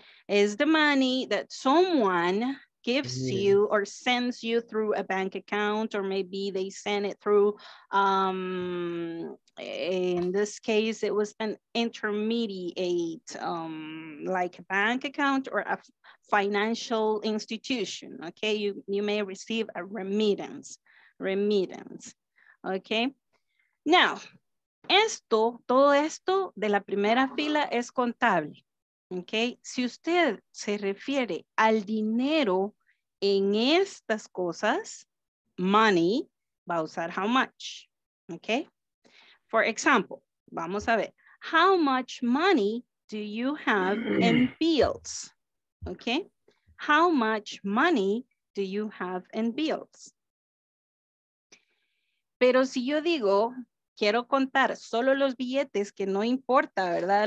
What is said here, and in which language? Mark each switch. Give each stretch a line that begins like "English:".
English: Is the money that someone gives you or sends you through a bank account, or maybe they send it through, in this case, it was an intermediate, like a bank account or a financial institution, okay? You may receive a remittance, okay?
Spanish: Now, esto, todo esto de la primera fila es contable, okay? Si usted se refiere al dinero en estas cosas, money, va a usar
English: how much. Okay. For example,
Spanish: vamos a ver.
English: How much money do you have in bills? Okay. How much money do you have in bills?
Spanish: Pero si yo digo, quiero contar solo los billetes, que no importa, ¿verdad?